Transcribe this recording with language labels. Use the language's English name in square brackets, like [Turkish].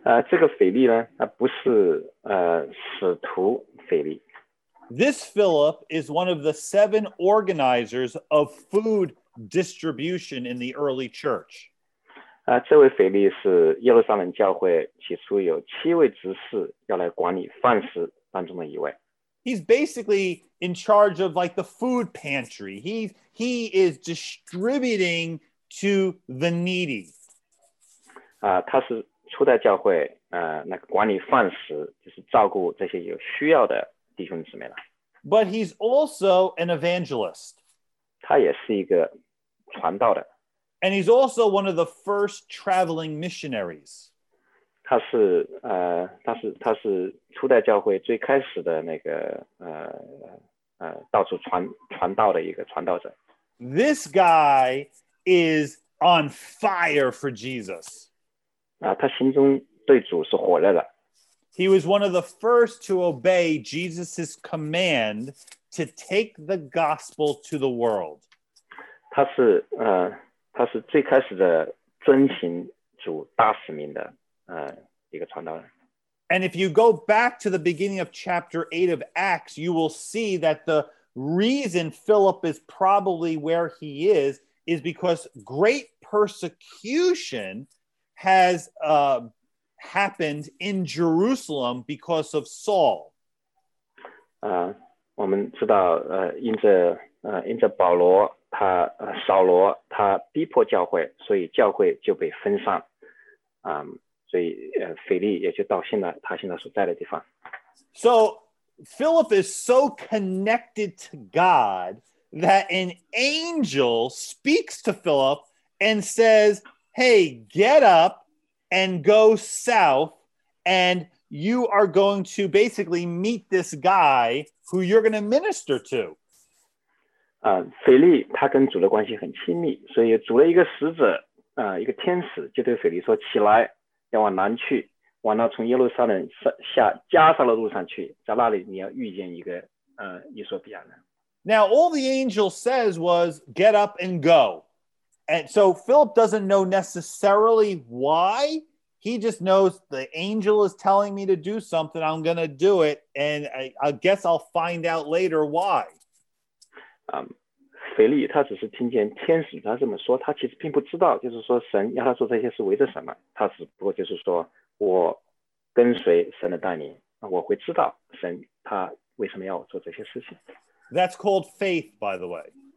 [Chinese] 这个腓力呢，不是使徒腓力。 [English] This Philip is one of the seven organizers of food distribution in the early church. [Chinese] 这位腓力是耶路撒冷教会起初有七位执事要来管理饭食当中的一位。 [English] He's basically in charge of like the food pantry. He is distributing to the needy. [Chinese] 他是初代教会那个管理饭食就是照顾这些有需要的弟兄姊妹了。 [English] But he's also an evangelist. [Chinese] 他也是一个传道的。 [English] And he's also one of the first traveling missionaries. [Chinese] 他是初代教会最开始的那个到处传道的一个传道者。 [English] This guy is on fire for Jesus. [Chinese] 他心中对主是火热的。 [English] He was one of the first to obey Jesus' command to take the gospel to the world. [Chinese] 他是最开始的遵行主大使命的一个传道人。 [English] And if you go back to the beginning of chapter 8 of Acts, you will see that the reason Philip is probably where he is because great persecution has happened in Jerusalem because of Saul. [Chinese] 我们知道因着保罗他扫罗他逼迫教会所以教会就被分散所以腓力也就到现在他现在所在的地方 [English] So Philip is so connected to God that an angel speaks to Philip and says hey get up and go south and you are going to basically meet this guy who you're going to minister to [Chinese] 腓力他跟主的关系很亲密，所以主的一个使者，一个天使就对腓力说：“起来，要往南去，往那从耶路撒冷下加沙的路上去，在那里你要遇见一个以索比亚人。” [English] Now all the angel says was "get up and go," and so Philip doesn't know necessarily why. He just knows the angel is telling me to do something. I'm going to do it, and I guess I'll find out later why. [Chinese] 腓力他只是听见天使他这么说他其实并不知道就是说神要他做这些是为着什么他只不过就是说我跟随神的带领我会知道神他为什么要我做这些事情 [English] That's called faith by the way